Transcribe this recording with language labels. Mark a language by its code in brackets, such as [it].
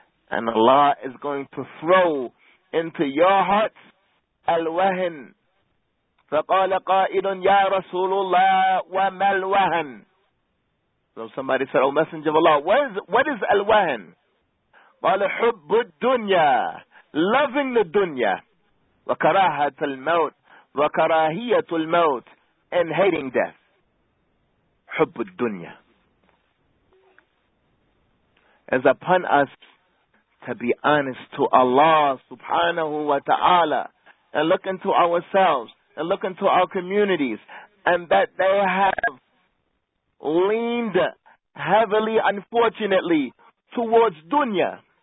[en] And Allah is going to throw into your hearts الْوَهْمَ. [ar] فَقَالَ قَائِلٌ يَا رَسُولُ اللَّهِ وَمَا الْوَهْمَ. [en] So somebody said, oh, Messenger of Allah, what is al-wahn? [ar] قَالَ حُبُّ الدُّنْيَا, [en] loving the dunya. [ar] وَكَرَاهَةُ الْمَوْتِ, وَكَرَاهِيَةُ الْمَوْتِ, [en] and hating death. [ar] حُبُّ الدُّنْيَا [en] is upon us to be honest to Allah subhanahu wa ta'ala and look into ourselves and look into our communities, and that they have leaned heavily, unfortunately, towards dunya.